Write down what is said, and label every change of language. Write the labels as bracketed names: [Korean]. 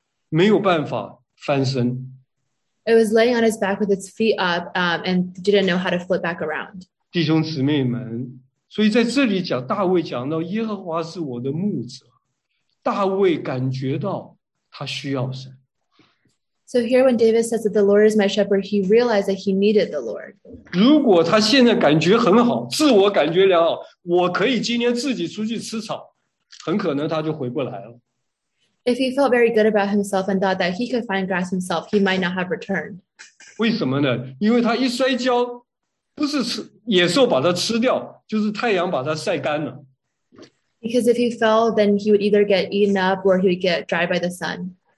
[Chinese] 它摔跤了，四脚朝天，它就在那里会晒死的，没有办法翻身。 [English] It was laying on its back with its feet up, and didn't know how to flip back around. [Chinese] 弟兄姊妹们，所以在这里讲，大卫讲到耶和华是我的牧者。大卫感觉到他需要神。 [English] So here when David says that the Lord is my shepherd, he realized that he needed the Lord. [Chinese] 如果他现在感觉很好，自我感觉良好，我可以今天自己出去吃草，很可能他就回不来了。 [English] If he felt very good about himself and thought that he could find grass himself, he might not have returned. [Chinese] 为什么呢？因为他一摔跤，不是野兽把它吃掉，就是太阳把它晒干了。 [English] Because if he fell, then he would either get eaten up or he would get dry by the sun.